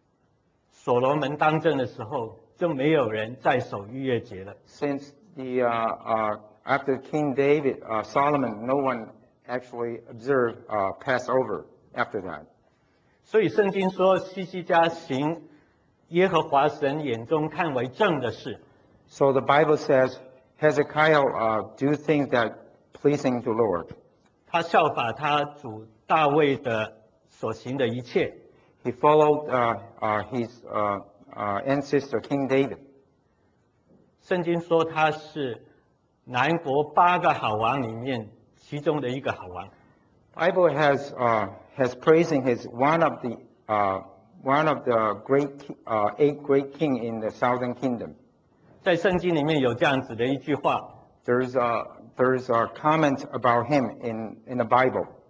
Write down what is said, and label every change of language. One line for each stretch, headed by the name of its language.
Chinese: 因为自从所罗门当政的时候, 就没有人再守逾越节了。
English: Since the after King David Solomon, no one actually observed Passover after that.
Chinese: 所以圣经说西西家行耶和华神眼中看为正的事。
English: So the Bible says Hezekiah do things that pleasing to Lord.
Chinese: 他效法他主大卫的所行的一切。
English: He followed his ancestor King David.
Chinese: 圣经说他是南国八个好王里面其中的一个好王。
English: Bible has praising his one of the eight great king in the southern kingdom.
Chinese: 在圣经里面有这样子的一句话,
English: there's a comment about him in the Bible.